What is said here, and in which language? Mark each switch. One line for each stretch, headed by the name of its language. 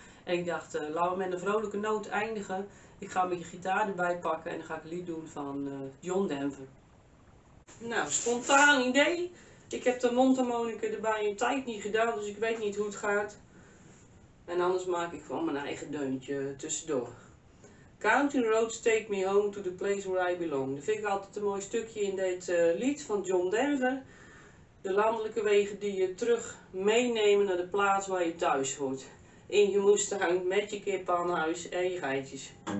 Dutch: En ik dacht, laten we met een vrolijke noot eindigen. Ik ga met je gitaar erbij pakken en dan ga ik een lied doen van John Denver. Nou, spontaan idee. Ik heb de mondharmonica erbij een tijd niet gedaan, dus ik weet niet hoe het gaat. En anders maak ik gewoon mijn eigen deuntje tussendoor.
English: Country roads take me home to the place where I belong.
Dutch: Dat vind ik altijd een mooi stukje in dit lied van John Denver. De landelijke wegen die je terug meenemen naar de plaats waar je thuis hoort. In je moestuin met je kippen aan huis en je geitjes.